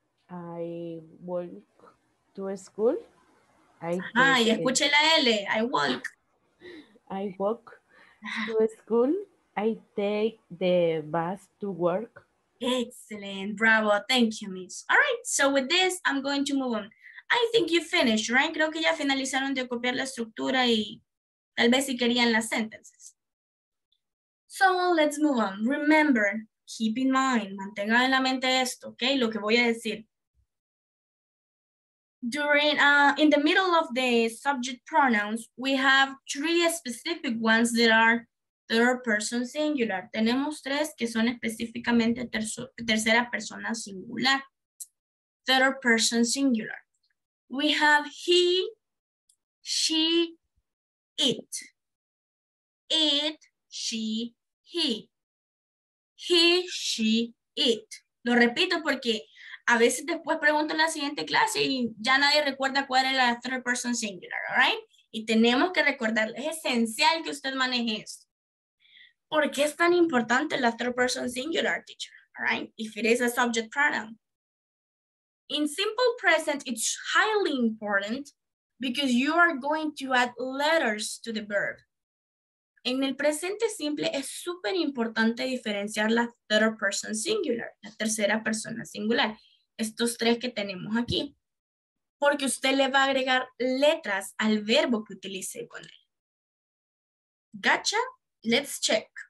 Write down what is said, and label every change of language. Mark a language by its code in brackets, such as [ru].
[en] I walk to school. [es] Escuche la L. [en] I walk. I walk to school. I take the bus to work. Excellent, bravo, thank you, miss. All right, so with this, I'm going to move on. I think you finished, right? [es] Creo que ya finalizaron de copiar la estructura y tal vez si querían las sentences. [en] So let's move on. Remember, keep in mind, [es] mantenga en la mente esto, okay? Lo que voy a decir. [en] During, in the middle of the subject pronouns, we have 3 specific ones that are third person singular. [es] Tenemos 3 que son específicamente tercera persona singular. [en] Third person singular. We have he, she, it. It, she, he. He, she, it. [es] Lo repito porque a veces después pregunto en la siguiente clase y ya nadie recuerda cuál era la third person singular, all right? Y tenemos que recordar, es esencial que usted maneje esto. ¿Por qué es tan importante la third person singular, teacher? [en] All right? If it is a subject pronoun. In simple present, it's highly important because you are going to add letters to the verb. [es] En el presente simple, es súper importante diferenciar la third person singular, la tercera persona singular, estos 3 que tenemos aquí. Porque usted le va a agregar letras al verbo que utilice con él. [en] ¿Gotcha? Let's check.